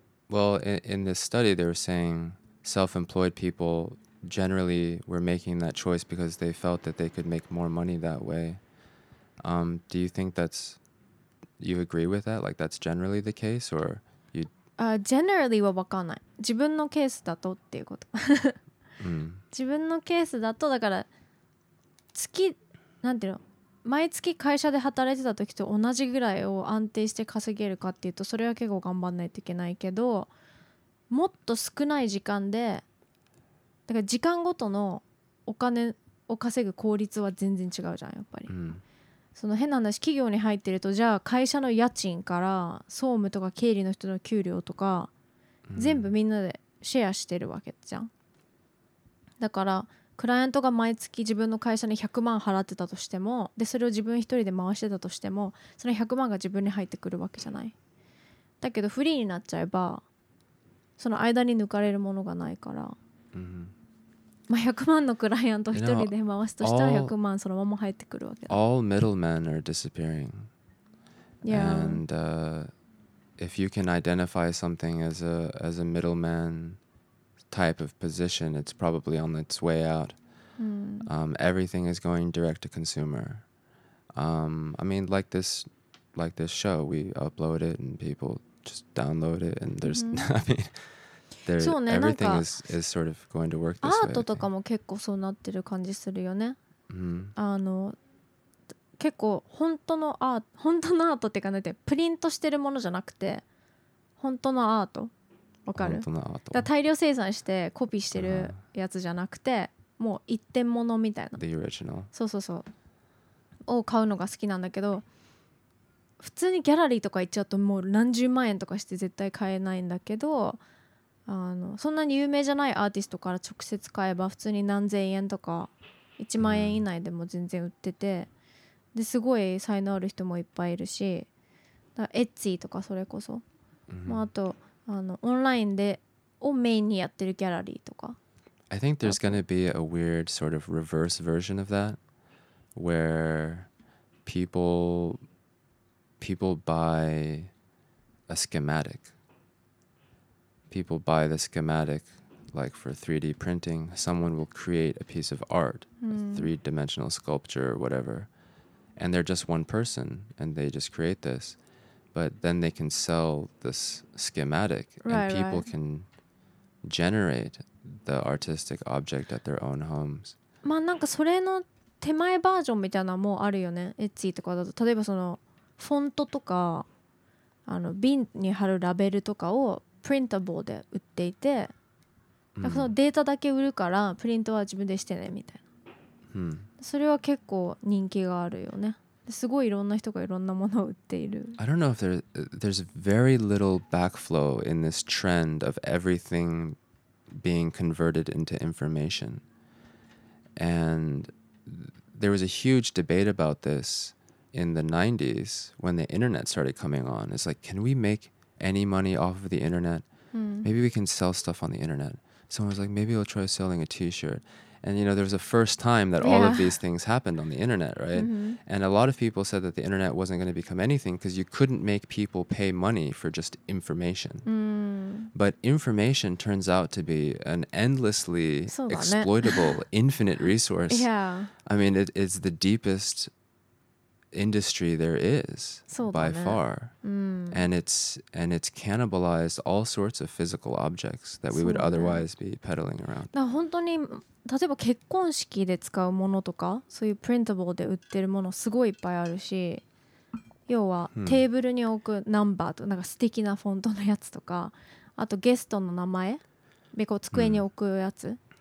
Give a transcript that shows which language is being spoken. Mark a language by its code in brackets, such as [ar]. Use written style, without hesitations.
[en] Well, in this study, they were saying self-employed people generally were making that choice because they felt that they could make more money that way. Do you think that's, you agree with that? Like, that's generally the case, or you? [ja] Generally は分かんない。自分のケースだとっていうこと。自分のケースだとだから月なんていうの毎月会社で働いてた時と同じぐらいを安定して稼げるかっていうとそれは結構頑張んないといけないけどもっと少ない時間でだから時間ごとのお金を稼ぐ効率は全然違うじゃんやっぱり、うん、その変な話企業に入ってるとじゃあ会社の家賃から総務とか経理の人の給料とか、うん、全部みんなでシェアしてるわけじゃんだからクライアントが毎月自分の会社に100万払ってたとしてもでそれを自分一人で回してたとしてもその100万が自分に入ってくるわけじゃないだけどフリーになっちゃえばその間に抜かれるものがないから、 mm-hmm. まあ100万のクライアント一人で回すとしたら100万そのまま入ってくるわけ [en] だ All middlemen are disappearing、 yeah. And、if you can identify something as a middleman type of position, it's probably on its way out. Mm. Everything is going direct to consumer. I mean, like this show, we upload it and people just download it and there's, mm-hmm. I mean, there, [ja] そうね、 [en] everything is sort of going to work this [ja] way. アートとかも結構そうなってる感じするよね。 Mm-hmm. あの、結構本当のアートってかなんて、プリントしてるものじゃなくて、本当のアート。わかる。だ大量生産してコピーしてるやつじゃなくて、もう一点物みたいな。 [en] The original. [ja] そうそうそう。を買うのが好きなんだけど、普通にギャラリーとか行っちゃうともう何十万円とかして絶対買えないんだけど、あのそんなに有名じゃないアーティストから直接買えば普通に何千円とか1万円以内でも全然売ってて、ですごい才能ある人もいっぱいいるし、だからエッチーとかそれこそ、まああと。あのオンラインでをメインにやってるギャラリーとか [en] I think there's going to be a weird sort of reverse version of that where people buy a schematic people buy the schematic like for 3D printing someone will create a piece of art、 mm. a three-dimensional sculpture or whatever and they're just one person and they just create thisBut then they can sell this schematic right, and people right. can generate the artistic object at their own homes. [ja] まあなんかそれの手前バージョンみたいなのもあるよね。 Etsy とかだと。例えばそのフォントとかあの瓶に貼るラベルとかをプリンタブルで売っていて、mm. そのデータだけ売るからプリントは自分でしてねみたいな。 Mm. それは結構人気があるよね。すごいいろんな人がいろんなものを売っている。 [en] I don't know if there's very little backflow in this trend of everything being converted into information. And there was a huge debate about this in the 90s when the internet started coming on. It's like, can we make any money off of the internet? Maybe we can sell stuff on the internet. Someone was like, maybe I'll try selling a t-shirt. And, you know, there was a first time that all、 yeah. of these things happened on the internet, right?、 Mm-hmm. And a lot of people said that the internet wasn't going to become anything because you couldn't make people pay money for just information.、 Mm. But information turns out to be an endlessly exploitable, infinite resource. Yeah. I mean, it's the deepest industry there is by far.、 Mm. And it's cannibalized all sorts of physical objects that we would otherwise be peddling around. [ja] 本当に例えば結婚式で使うものとかそういうプリンタブルで売ってるものすごいいっぱいあるし要はテーブルに置くナンバーとなんか素敵なフォントのやつとかあとゲストの名前でこう机に置くやつ